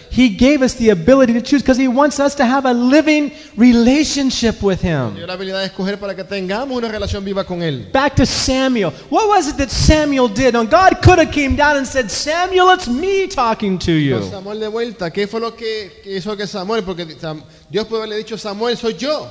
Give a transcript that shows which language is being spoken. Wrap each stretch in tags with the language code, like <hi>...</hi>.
<en>He gave us the ability to choose because he wants us to have a living relationship with him.</en> <es>Nos dio la habilidad de escoger para que tengamos una relación viva con él.</es> <en>Back to Samuel. What was it that Samuel did? Now God could have came down and said, Samuel, it's me talking to you.</en> <es>Samuel de vuelta. ¿Qué fue lo que hizo que Samuel? Porque Dios puede haberle dicho, Samuel, soy yo.</es>